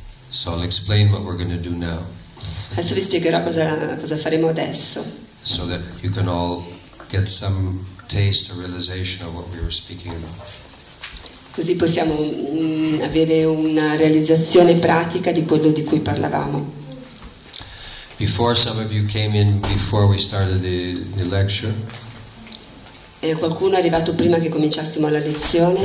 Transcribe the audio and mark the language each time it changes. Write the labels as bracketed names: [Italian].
[English] So I'll explain what we're going to do now. [Italian] Adesso vi spiegherò cosa faremo adesso. [English] So that you can all get some taste or realization of what we were speaking about. [Italian] Così possiamo avere una realizzazione pratica di quello di cui parlavamo. [English] Before some of you came in, before we started the lecture. [Italian] E qualcuno è arrivato prima che cominciassimo la lezione.